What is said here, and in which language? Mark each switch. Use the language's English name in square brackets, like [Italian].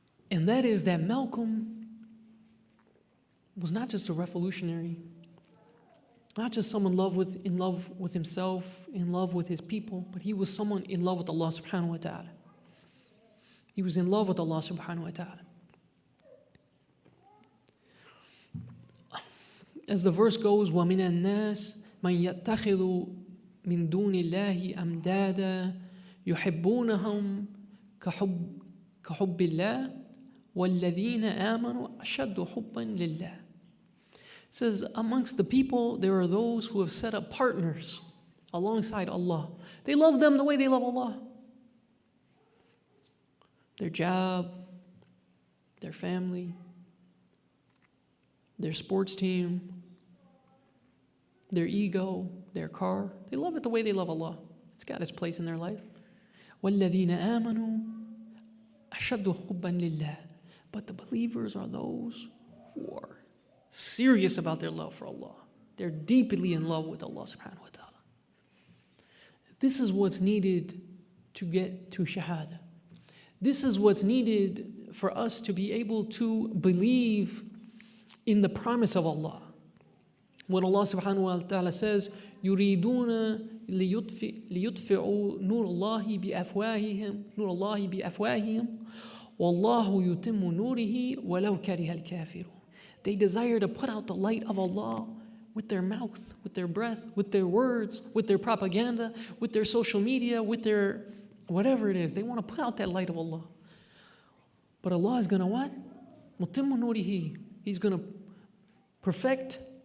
[English] And that is that Malcolm was not just a revolutionary, not just someone in love with himself, in love with his people, but he was someone in love with Allah subhanahu wa ta'ala. He was in love with Allah subhanahu wa ta'ala. As the verse goes, [Arabic] وَمِنَ النَّاسِ مَنْ يَتَّخِذُ مِنْ دُونِ اللَّهِ أَمْدَادًا يُحِبُّونَهُمْ كَحُبِّ اللَّهِ وَالَّذِينَ آمَنُوا أَشَدُّ حُبًّا لِلَّهِ. [English] It says, amongst the people, there are those who have set up partners alongside Allah. They love them the way they love Allah. Their job, their family, their sports team, their ego, their car. They love it the way they love Allah. It's got its place in their life. [Arabic] وَالَّذِينَ آمَنُوا أَشَدُّ حُبًّا لِلَّهِ. [English] But the believers are those who are serious about their love for Allah. They're deeply in love with Allah subhanahu wa ta'ala. This is what's needed to get to shahada. This is what's needed for us to be able to believe in the promise of Allah. When Allah subhanahu wa ta'ala says, [Arabic] يُرِيدُونَ لِيُطْفِعُوا نُورَ اللَّهِ بِأَفْوَاهِهِمْ نُورَ اللَّهِ بِأَفْوَاهِهِمْ وَاللَّهُ يُتِمُّ نُورِهِ وَلَوْ كَرِهَ الْكَافِرُونَ. [English] They desire to put out the light of Allah with their mouth, with their breath, with their words, with their propaganda, with their social media, with their whatever it is. They want to put out that light of Allah. But Allah is going to what? [Arabic] مُتِمُّ نُورِهِ. [English] He's going to perfect.